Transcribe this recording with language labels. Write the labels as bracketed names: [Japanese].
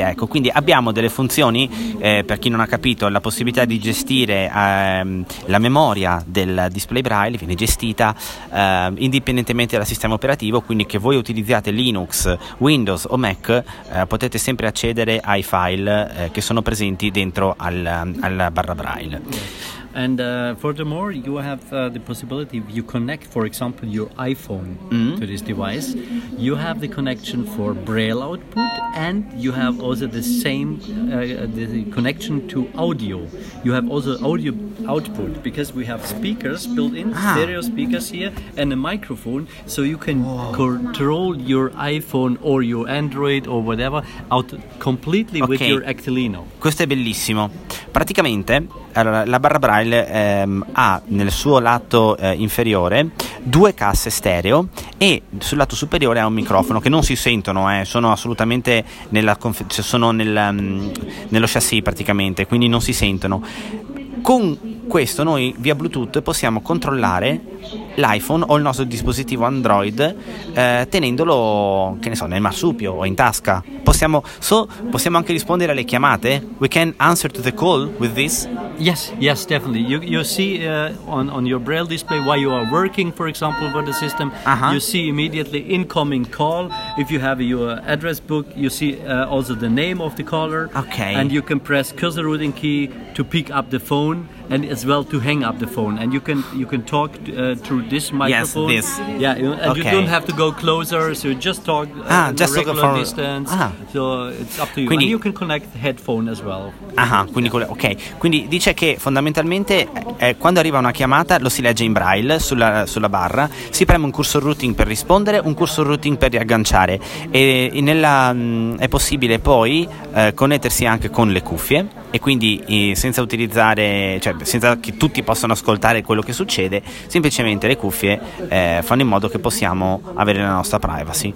[Italian] Ecco, quindi abbiamo delle funzioni, per chi non ha capito, la possibilità di gestire la memoria del display Braille viene gestita indipendentemente dal sistema operativo, quindi che voi utilizziate Linux, Windows o Mac, potete sempre accedere ai file che sono presenti dentro al barra Braille. [English] And furthermore, you have the possibility, if you connect, for example, your iPhone to this device, you have the connection for Braille output, and you have also the same the connection to audio. You have also audio output, because we have speakers built in, stereo speakers here, and a microphone, so you can control your iPhone or your Android or whatever completely with your Actilino. [Italian] Questo è bellissimo. Praticamente, allora, la barra Braille ha nel suo lato inferiore due casse stereo, e sul lato superiore ha un microfono, che non si sentono, sono assolutamente nello chassis praticamente, quindi non si sentono. Con questo noi via Bluetooth possiamo controllare l'iPhone o il nostro dispositivo Android tenendolo, che ne so, nel marsupio o in tasca. Possiamo anche rispondere alle chiamate? [English] We can answer to the call with this? Yes, definitely. You see on your Braille display while you are working, for example, with the system, you see immediately incoming call. If you have your address book, you see also the name of the caller. Okay. And you can press cursor routing key to pick up the phone, and as well to hang up the phone, and you can talk through this microphone. Yes, this. Yeah, and you don't have to go closer, so just talk just a regular distance. So it's up to you. [Italian] Quindi, [English] and you can connect headphone as well. [Italian] Quindi dice che fondamentalmente quando arriva una chiamata lo si legge in Braille sulla barra, si preme un cursor routing per rispondere, un cursor routing per riagganciare, e è possibile poi connettersi anche con le cuffie, e quindi senza utilizzare, cioè senza che tutti possano ascoltare quello che succede, semplicemente le cuffie fanno in modo che possiamo avere la nostra privacy.